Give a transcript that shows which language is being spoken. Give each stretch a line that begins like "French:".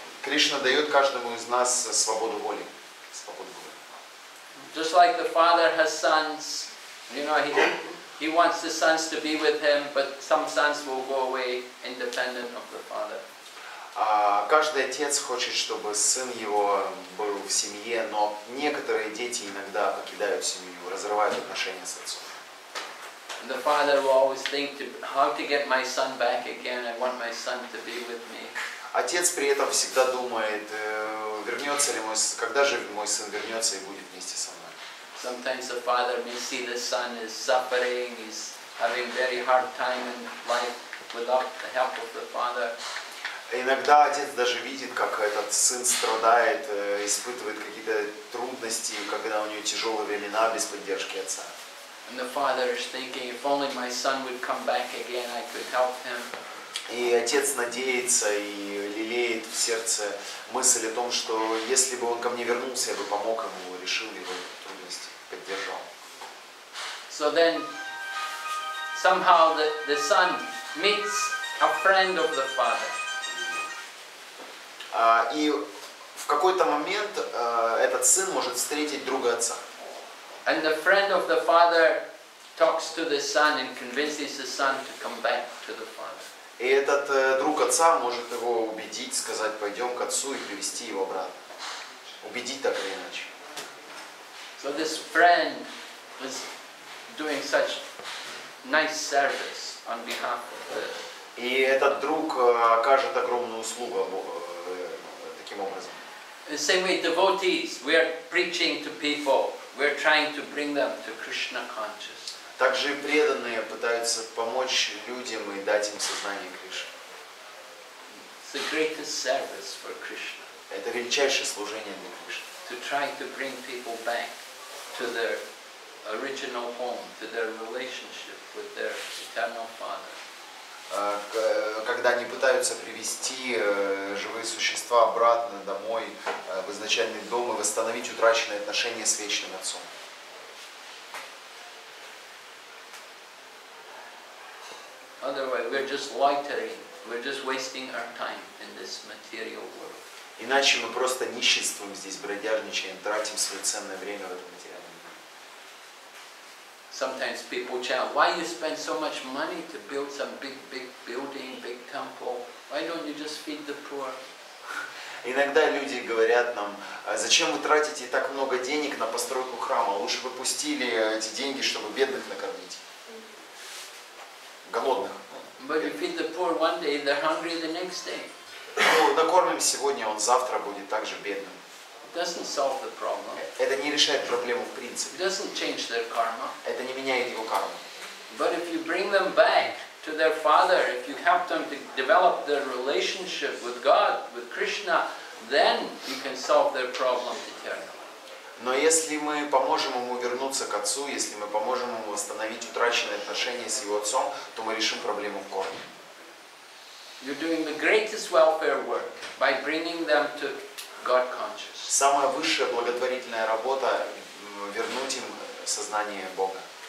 Russian: Кришна дает каждому из нас свободу воли. Свободу воли.
English: Just like the father has sons, you know, he wants the sons to be with him, but some sons will go away independent of the father.
Russian: Каждый отец хочет, чтобы сын его был в семье, но некоторые дети иногда покидают семью, разрывают отношения с отцом.
English: The father will always think how to get my son back again. I want my son to be with me.
Russian: Отец при этом всегда думает, вернется ли мой сын, когда же мой сын вернется и будет вместе со мной.
English: Sometimes the father may see the son is suffering, he's having very hard time in life without the help of the father.
Russian: Иногда отец даже видит, как этот сын страдает, испытывает какие-то трудности, когда у него тяжелые времена без поддержки отца.
English: And the father is thinking, if only my son would come back again, I could help him.
Russian: И отец надеется и лелеет в сердце мысль о том, что если бы он ко мне вернулся, я бы помог ему, решил его трудности, поддержал.
English: So then, somehow the son meets a friend of the father.
Russian: И в какой-то момент этот сын может встретить друга отца.
English: And the friend of the father talks to the son and convinces the son to come back to the father.
Russian: И этот друг отца может его убедить, сказать, пойдем к отцу и привести его обратно. Убедить так или иначе.
English: So this friend is doing such nice service on behalf of the...
Russian: И этот друг окажет огромную услугу таким образом.
English: The same way devotees, we are preaching to people. We're trying to bring them to Krishna consciousness.
Russian: Также и преданные пытаются помочь людям и дать им сознание Кришны.
English: It's the greatest service for Krishna.
Russian: Это величайшее служение для Кришны.
English: To try to bring people back to their original home, to their relationship with their eternal father.
Russian: Когда они пытаются привести живые существа обратно домой, в изначальный дом и восстановить утраченные отношения с вечным отцом.
English: Otherwise, we're just loitering. We're just wasting our time in this material world.
Russian: Иначе мы просто нищетствуем здесь, бродяжничаем, тратим свое ценное время в этом материальном мире.
English: Sometimes people chant, why you spend so much money to build some big building, big temple? Why don't you just feed the poor?
Russian: Иногда люди говорят нам, зачем вы тратите так много денег на постройку храма? Лучше бы пустили эти деньги, чтобы бедных накормить. Голодных.
English: But you feed the poor one day, they're hungry the next day.
Russian: Накормим сегодня, он завтра будет также бедным.
English: Doesn't solve the problem.
Russian: Это не решает проблему в принципе.
English: Doesn't change their karma.
Russian: Это не меняет его карму.
English: But if you bring them back to their father, if you help them to develop their relationship with God, with Krishna, then you can solve their problem eternally.
Russian: Но если мы поможем ему вернуться к отцу, если мы поможем ему восстановить утраченные отношения с его отцом, то мы решим проблему в корне.
English: You're doing the greatest welfare work by bringing them to God conscious.
Russian: Самая высшая благотворительная работа вернуть им сознание Бога.